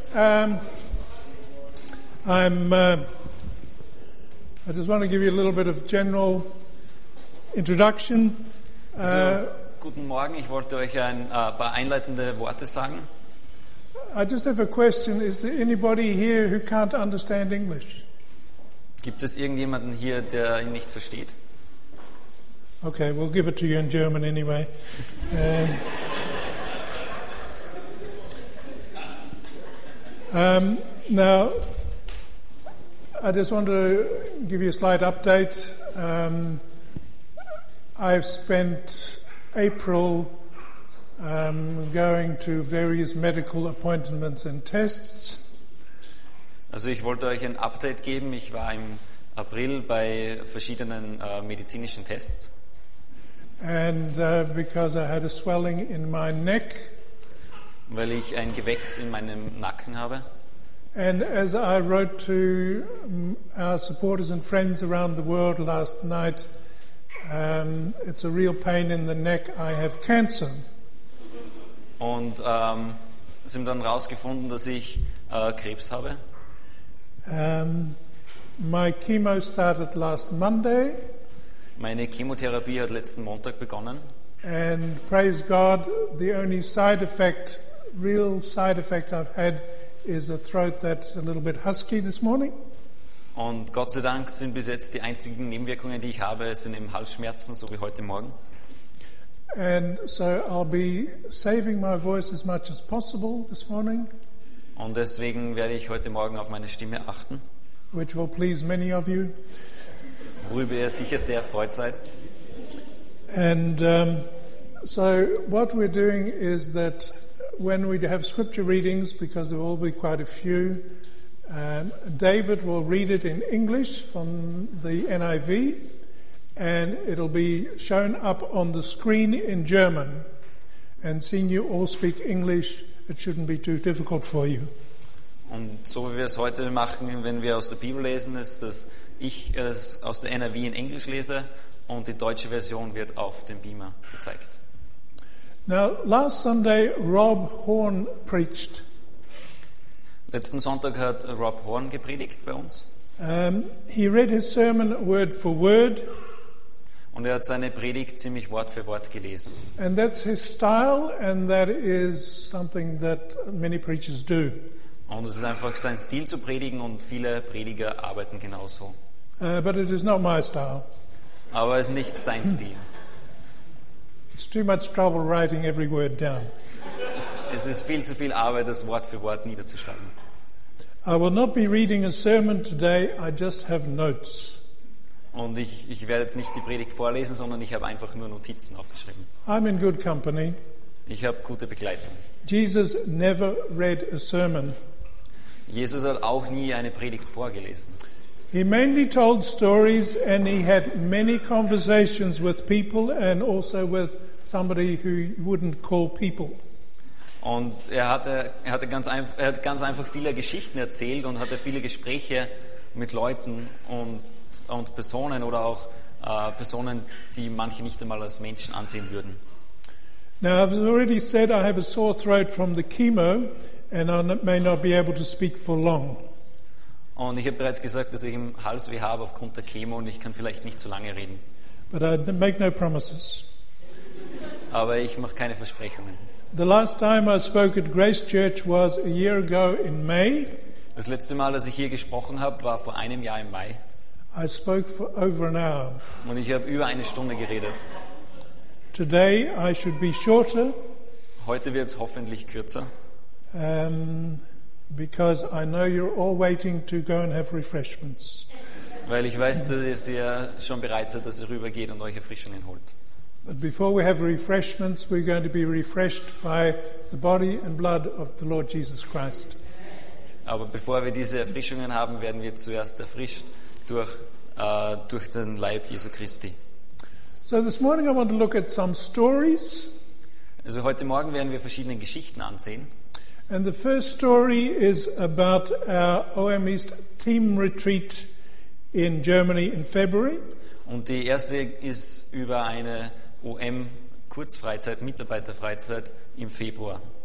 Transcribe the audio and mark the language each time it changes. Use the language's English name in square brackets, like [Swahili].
[English] I just want to give you a little bit of general introduction. [German] Guten Morgen. Ich wollte euch ein paar einleitende Worte sagen. [English] I just have a question. Is there anybody here who can't understand English? [German] Gibt es irgendjemanden hier, der ihn nicht versteht? [English] Okay, we'll give it to you in German anyway. Now, I just want to give you a slight update. I've spent April going to various medical appointments and tests. [German] Also, ich wollte euch ein Update geben. Ich war im April bei verschiedenen medizinischen Tests. [English] And because I had a swelling in my neck. [German] Weil ich ein Gewächs in meinem Nacken habe. [English] And as I wrote to our supporters and friends around the world last night, it's a real pain in the neck. I have cancer. [German] Und sind dann rausgefunden, dass ich Krebs habe. [English] My chemo started last Monday. [German] Meine Chemotherapie hat letzten Montag begonnen. [English] And praise God, the only side effect, real side effect I've had is a throat that's a little bit husky this morning. [German] Und Gott sei Dank sind bis jetzt die einzigen Nebenwirkungen, die ich habe, sind eben Halsschmerzen, so wie heute Morgen. [English] And so I'll be saving my voice as much as possible this morning. [German] Und deswegen werde ich heute Morgen auf meine Stimme achten. [English] Which will please many of you. [German] Worüber ihr sicher sehr freut seid. [English] And so what we're doing is that when we have scripture readings, because there will be quite a few, David will read it in English from the NIV, and it'll be shown up on the screen in German. And seeing you all speak English, it shouldn't be too difficult for you. [German] Und so wie wir es heute machen, wenn wir aus der Bibel lesen, ist, dass ich es aus der NIV in Englisch lese, und die deutsche Version wird auf dem Beamer gezeigt. [English] Now, last Sunday, Rob Horn preached. [German] Letzten Sonntag hat Rob Horn gepredigt bei uns. [English] He read his sermon word for word. [German] Und hat seine Predigt ziemlich Wort für Wort gelesen. [English] And that's his style, and that is something that many preachers do. [German] Und es ist einfach sein Stil zu predigen, und viele Prediger arbeiten genauso. [English] But it is not my style. [German] Aber es ist nicht sein Stil. [English] It's too much trouble writing every word down. [German] Es ist viel zu viel Arbeit, das Wort für Wort niederzuschreiben. [English] I will not be reading a sermon today. I just have notes. [German] Und ich werde jetzt nicht die Predigt vorlesen, sondern ich habe einfach nur Notizen aufgeschrieben. [English] I'm in good company. [German] Ich habe gute Begleitung. [English] Jesus never read a sermon. [German] Jesus hat auch nie eine Predigt vorgelesen. [English] He mainly told stories, and he had many conversations with people and also with somebody who you wouldn't call people. [German] Und er hat ganz einfach viele Geschichten erzählt und hatte viele Gespräche mit Leuten und Personen oder auch Personen, die manche nicht einmal als Menschen ansehen würden. [English] Now, I've already said I have a sore throat from the chemo and I may not be able to speak for long. [German] Und ich habe bereits gesagt, dass ich im Halsweh habe aufgrund der Chemo, und ich kann vielleicht nicht so lange reden. [English] But I make no promises. [German] Aber ich mache keine Versprechungen. [English] The last time I spoke at Grace Church was a year ago in May. [German] Das letzte Mal, dass ich hier gesprochen habe, war vor einem Jahr im Mai. [English] I spoke for over an hour. [German] Und ich habe über eine Stunde geredet. [English] Today I should be shorter. [German] Heute wird es hoffentlich kürzer. [English] Because I know you're all waiting to go and have refreshments. [German] Weil ich weiß, dass ihr schon bereit seid, dass ihr rübergeht und euch Erfrischungen holt. [English] But before we have refreshments, we're going to be refreshed by the body and blood of the Lord Jesus Christ. [German] Aber bevor wir diese Erfrischungen haben, werden wir zuerst erfrischt durch den Leib Jesu Christi. [English] So this morning I want to look at some stories. [German] Also heute Morgen werden wir verschiedene Geschichten ansehen. [English] And the first story is about our OM East team retreat in Germany in February. [German] Und die erste ist über eine OM Kurzfreizeit, Mitarbeiterfreizeit im Februar.